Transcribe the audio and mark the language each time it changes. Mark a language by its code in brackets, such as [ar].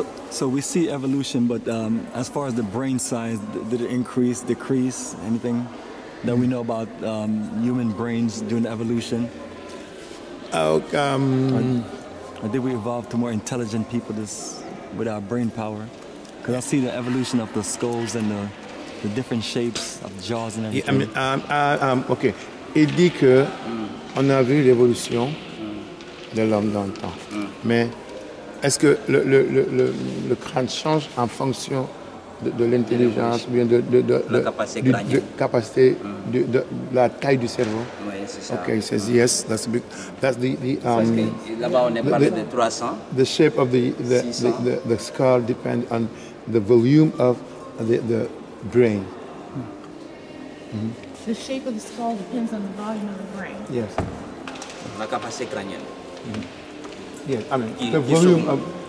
[en] So we see evolution, but as far as the brain size, did it increase, decrease, anything that we know about human brains during the evolution? Or did we evolve to more intelligent people with our brain power? Because I see the evolution of the skulls and the different shapes of jaws and everything. Yeah, okay. [fr] Il dit que on a vu l'évolution de l'homme dans le temps. Mm. Mais est-ce que le crâne change en fonction de l'intelligence ou bien de la capacité, capacité de la taille du cerveau? Oui, c'est ça. [en] Okay, he says yes. That's a big. That's the [fr] Parce que là-bas on est parlé de 300. [en] The shape of the skull depends on the volume of the brain. The shape of the skull depends on the volume of the brain. Yes. [fr] La capacité crânienne. [en] Yeah, I mean, the volume of